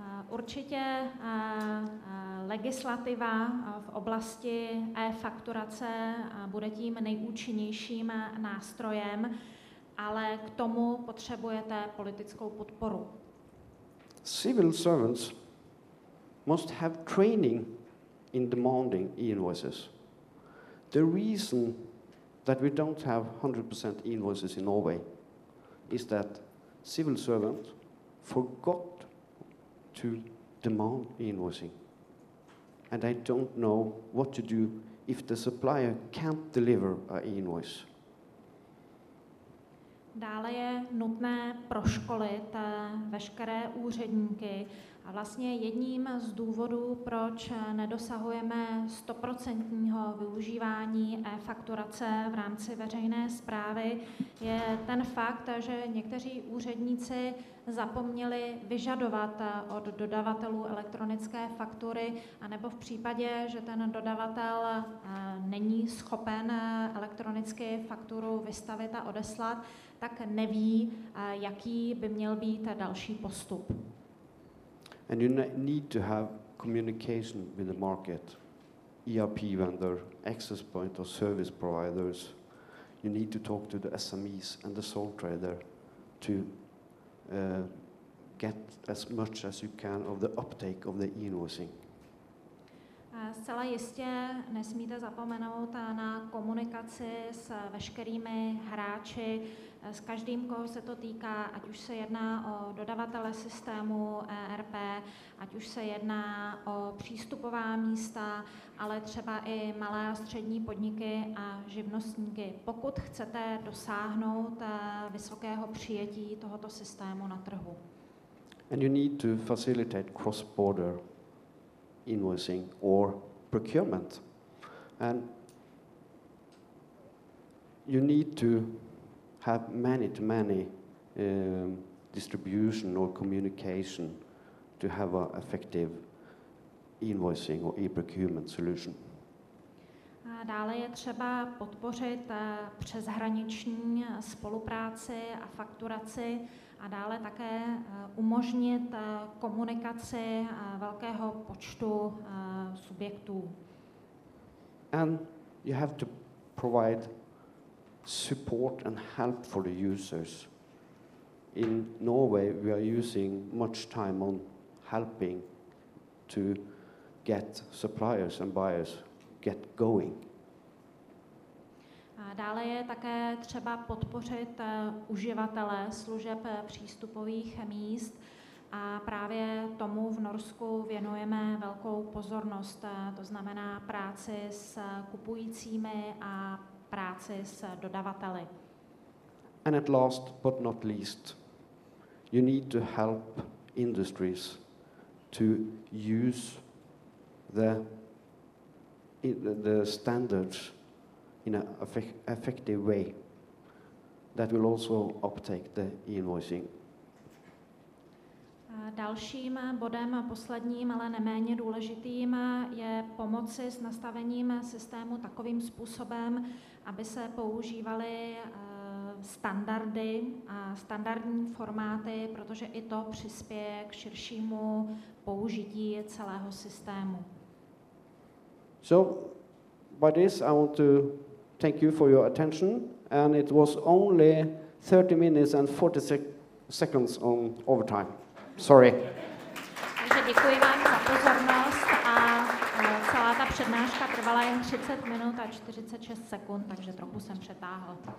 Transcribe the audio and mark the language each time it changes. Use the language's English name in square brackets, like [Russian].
[Czech] Určitě legislativa v oblasti e-fakturace bude tím nejúčinnějším nástrojem, ale k tomu potřebujete politickou podporu. [English] Civil servants must have training in demanding e-invoices. The reason that we don't have 100% e-invoices in Norway is that civil servants forgot to demand invoicing, and I don't know what to do if the supplier can't deliver an invoice. [Czech] Dále je nutné proškolit veškeré úředníky. A vlastně jedním z důvodů, proč nedosahujeme 100% využívání e-fakturace v rámci veřejné správy, je ten fakt, že někteří úředníci zapomněli vyžadovat od dodavatelů elektronické faktury, anebo v případě, že ten dodavatel není schopen elektronicky fakturu vystavit a odeslat, tak neví, jaký by měl být další postup. [English] And you need to have communication with the market, ERP vendor, access point or service providers. You need to talk to the SMEs and the sole trader to get as much as you can of the uptake of the e-invoicing. [Czech] Zcela jistě nesmíte zapomenout na komunikaci s veškerými hráči, s každým, koho se to týká, ať už se jedná o dodavatele systému ERP, ať už se jedná o přístupová místa, ale třeba i malé a střední podniky a živnostníky. Pokud chcete dosáhnout vysokého přijetí tohoto systému na trhu. [English] And you need to facilitate cross-border invoicing or procurement, and you need to have many-to-many distribution or communication to have an effective invoicing or e-procurement solution. [Czech] Dále je třeba podpořit přeshraniční spolupráci a fakturaci a dále také umožnit komunikaci velkého počtu subjektů. [English] And you have to provide support and help for the users. In Norway, we are using much time on helping to get suppliers and buyers get going. [Czech] Dále je také třeba podpořit uživatele služeb přístupových míst a právě tomu v Norsku věnujeme velkou pozornost, to znamená práci s kupujícími a práci s dodavateli. [English] And at last but not least, you need to help industries to use the standards in an effective way that will also uptake the invoicing. [Czech] Dalším bodem, posledním, ale neméně důležitým, je pomoci s nastavením systému takovým způsobem, aby se používaly standardy a standardní formáty, protože i to přispěje k širšímu použití celého systému. [English] So, by this I want to thank you for your attention, and it was only 30 minutes and 40 seconds on overtime. Sorry. [Czech] Takže děkuji vám za pozornost a celá ta přednáška trvala jen 30 minut a 46 sekund, takže trochu jsem přetáhl.